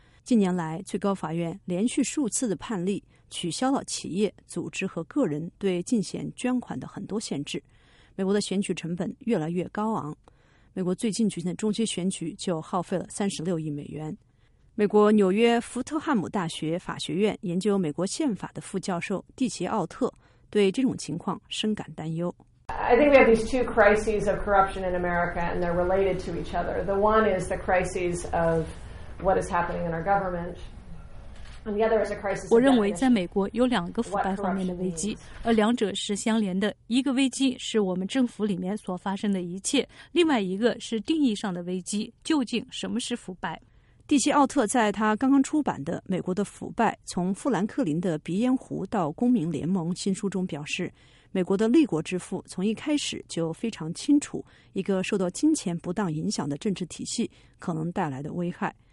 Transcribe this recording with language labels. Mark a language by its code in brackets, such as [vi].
[zh] 近年来，最高法院连续数次的判例取消了企业、组织和个人对竞选捐款的很多限制。美国的选举成本越来越高昂。美国最近举行的中期选举就耗费了36亿美元。美国纽约福特汉姆大学法学院研究美国宪法的副教授蒂奇奥特对这种情况深感担忧。 [en] I think we have these two crises of corruption in America, and they're related to each other. The one is the crises of what is happening in our government. [zh] 我认为在美国有两个腐败方面的危机，而两者是相连的。一个危机是我们政府里面所发生的一切，另外一个是定义上的危机，究竟什么是腐败。蒂奇奥特在他刚刚出版的《美国的腐败：从富兰克林的鼻烟壶到公民联盟》新书中表示，美国的立国之父从一开始就非常清楚一个受到金钱不当影响的政治体系可能带来的危害。